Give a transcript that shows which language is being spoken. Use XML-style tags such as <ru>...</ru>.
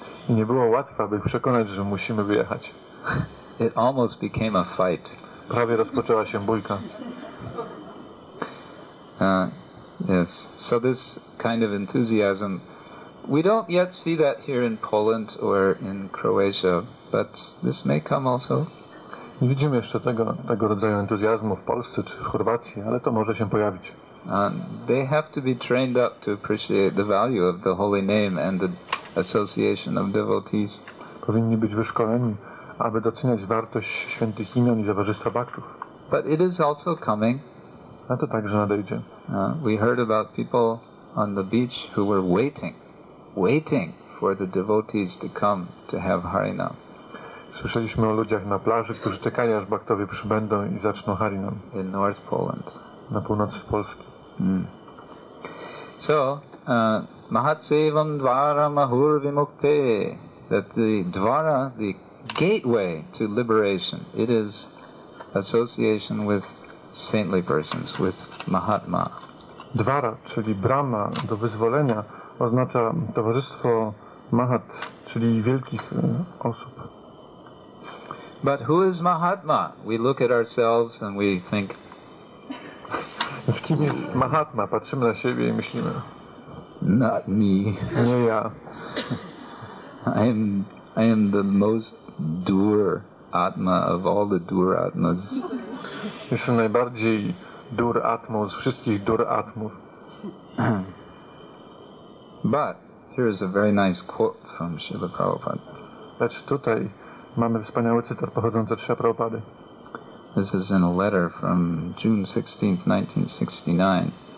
<pl>I nie było łatwo, aby ich przekonać, że musimy wyjechać.</pl> <en>It almost became a fight.</en> <pl>Prawie rozpoczęła się bójka.</pl> <en>Yes, so this kind of enthusiasm, we don't yet see that here in Poland or in Croatia, but this may come also.</en> <pl>Nie widzimy jeszcze tego rodzaju entuzjazmu w Polsce czy w Chorwacji, ale to może się pojawić.</pl> <en>They have to be trained up to appreciate the value of the holy name and the association of devotees.</en> <pl>Powinni być wyszkoleni, aby doceniać wartość świętych imion i towarzystwa bhaktów.</pl> <en>But it is also coming.</en> <pl>A to także nadejdzie.</pl> <en>We heard about people on the beach who were waiting for the devotees to come to have Harinam.</en> <pl>Słyszeliśmy o ludziach na plaży, którzy czekali, aż bhaktowie przybędą i zaczną Harinam.</pl> <en>In North Poland.</en> <pl>Na północy Polski.</pl> <en>So,</en> <sa>Mahatsevam Dvara Mahur Vimukte,</sa> <en>that the Dvara, the gateway to liberation, it is association with saintly persons, with Mahatma.</en> <pl>Dvara, czyli brama do wyzwolenia, oznacza towarzystwo Mahat, czyli wielkich osób.</pl> <en>But who is Mahatma? We look at ourselves and we think.</en> <pl>W kim jest Mahatma? Patrzymy na siebie i myślimy.</pl> <en>Not me.</en> <pl>Nie ja.</pl> <en>I am the most dur atma of all the dur atmas.</en> <pl>Jestem najbardziej dur atmą z wszystkich dur atmów.</pl> <en>But here is a very nice quote from Śrīla Prabhupāda.</en> <pl>Lecz tutaj mamy wspaniały cytat pochodzący od Śrīla Prabhupāda.</pl> <en>This is in a letter from June 16th, 1969.</en>